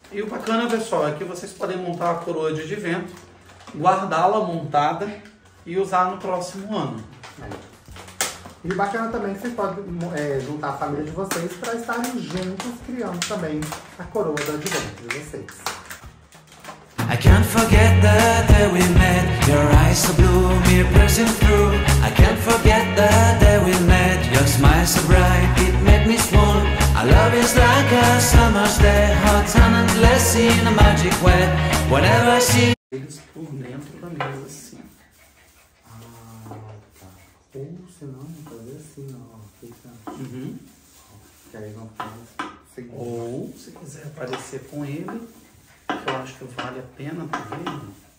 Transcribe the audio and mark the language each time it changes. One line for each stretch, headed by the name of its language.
Portuguese: E o bacana, pessoal, é que vocês podem montar a coroa de advento, guardá-la montada e usar no próximo ano. É. E bacana também que vocês podem juntar a família de vocês para estarem juntos criando também a coroa do advento de vocês.
English: I can't forget the day we met. Your eyes so blue, me piercing through. I can't forget the day we met. Your smile so bright, it made me swoon. Our love is like a summer's day, hot and endless in a magic way. Whenever I see
Portuguese: eles por dentro da mesa, assim. Ah, tá. Ou se não, fazer assim, ó. Fica. Uhum. E aí vamos fazer assim. Ou se quiser aparecer com ele, que eu acho que vale a pena também.